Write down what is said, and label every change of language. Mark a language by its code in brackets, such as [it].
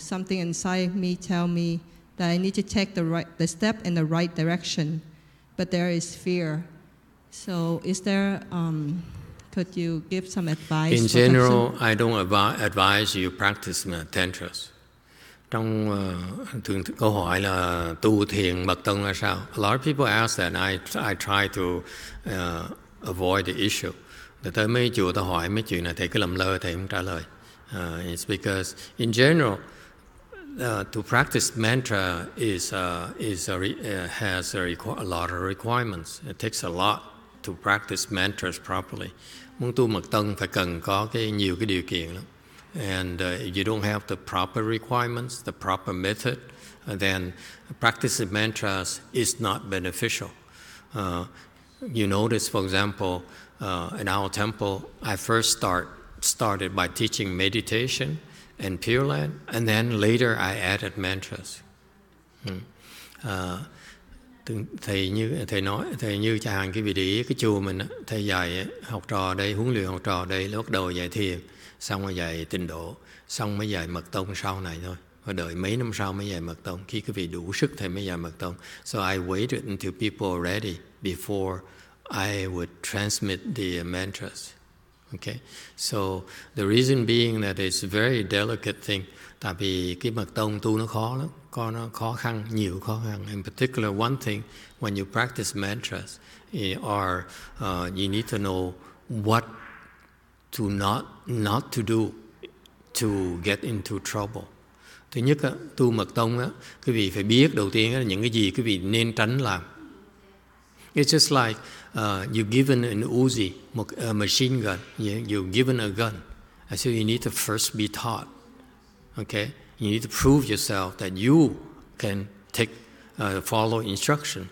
[en] Something inside me tell me that I need to take the step in the right direction, but there is fear. So is there, could you give some advice? In general, I don't advise you practice mantras. [vi] Trong thường câu hỏi là tu thiền mật tông là sao? [en] A lot of people ask that, and I try to avoid the issue. [vi] Tôi tới mấy chùa tôi hỏi mấy chuyện này, thầy cứ lầm lơ, thầy không trả lời. [en] It's because in general, to practice mantra has a lot of requirements. It takes a lot to practice mantras properly. [vi] Muốn tu mật tông phải cần có nhiều điều kiện lắm. [en] And if you don't have the proper requirements, the proper method, then practicing mantras is not beneficial. You notice, for example, in our temple, I first started by teaching meditation and Pure Land, and then later I added mantras. [vi] Thầy nói cho hàng cái vị trí cái chùa mình, thầy dạy học trò đây, huấn luyện học trò đây, bắt đầu dạy thiền, xong mới dạy Tịnh Độ, xong mới dạy Mật Tông sau này thôi. Và đợi mấy năm sau mới dạy Mật Tông. Khi quý vị đủ sức thì mới dạy Mật Tông. [en] So I waited until people are ready before I would transmit the mantras. Okay. So the reason being that it's a very delicate thing. [vi] Tại vì cái Mật Tông tu nó khó lắm. Có nó khó khăn, nhiều khó khăn. [en] In particular, one thing, when you practice mantras, you need to know what to not to do to get into trouble. [vi] Thứ nhất, tu Mật Tông, quý vị phải biết đầu tiên là những cái gì quý vị nên tránh làm. [en] It's just like you're given an Uzi, a machine gun. You're given a gun. So you need to first be taught. Okay? You need to prove yourself that you can take follow instruction.